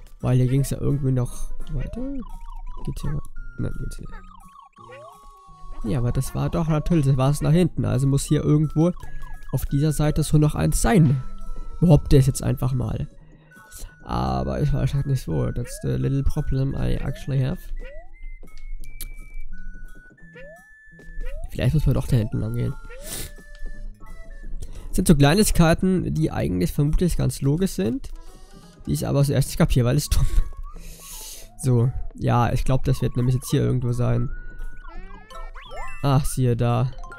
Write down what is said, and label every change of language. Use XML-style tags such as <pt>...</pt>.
<de>Weil hier ging es ja irgendwie noch weiter. Geht hier mal? Nein, geht's nicht. Ja, aber das war doch natürlich, das war es nach hinten. Also muss hier irgendwo auf dieser Seite so noch eins sein. Behaupte ich jetzt einfach mal. Aber ich weiß halt nicht wo.</de> <en>That's the little problem I actually have.</en> <de>Vielleicht muss man doch da hinten lang gehen. Das sind so Kleinigkeiten, die eigentlich vermutlich ganz logisch sind. Die ich aber zuerst nicht kapiere, weil es dumm. So, ja, ich glaube, das wird nämlich jetzt hier irgendwo sein. Ach, siehe da.</de>